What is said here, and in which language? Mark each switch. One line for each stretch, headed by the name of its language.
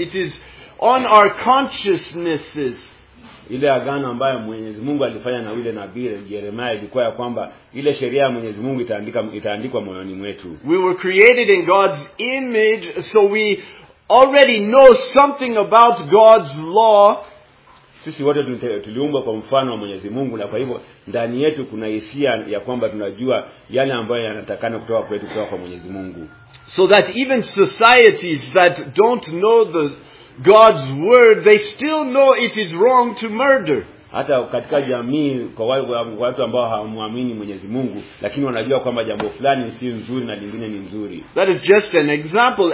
English: It is on our consciousnesses.
Swahili: Ile agano ambayo Mwenyezi Mungu alifanya na yule nabii Yeremia ilikuwa ya kwamba ile sheria ya Mwenyezi Mungu itaandikwa moyoni mwetu.
English: We were created in God's image, so we already know something about God's law.
Swahili: Sisi wote tuliumbwa kwa mfano wa Mwenyezi Mungu, na kwa hivyo ndani yetu kuna hisia ya kwamba tunajua yale ambayo yanatakana kutoka kwetu kutoka kwa Mwenyezi Mungu.
English: So that even societies that don't know the God's word, they still know it is wrong to murder.
Swahili: Hata katika jamii kwa watu ambao hawamuamini Mwenyezi Mungu, lakini wanajua kwamba jambo fulani si nzuri na lingine ni nzuri.
English: That is just an example.